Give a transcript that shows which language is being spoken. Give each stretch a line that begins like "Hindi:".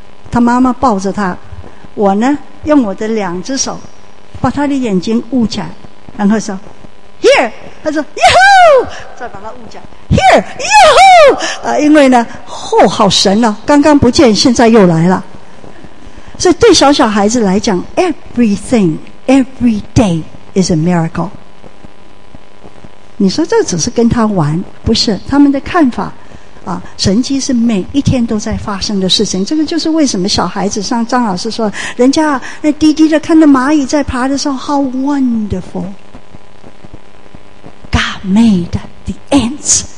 Chinese: 他妈妈抱着他，我呢用我的两只手把他的眼睛捂起来，然后说 Here， 他说 Yahoo， 再把他捂起来 Here Yahoo、因为呢后、哦、好神了、啊、刚刚不见现在又来了。所以对小小孩子来讲
English: everything every day is a miracle。
Chinese: 你说这只是跟他玩，不是他们的看法啊，神迹是每一天都在发生的事情。这个就是为什么小孩子像张老师说，人家那低低的看着蚂蚁在爬的时候
English: how wonderful God made the ants。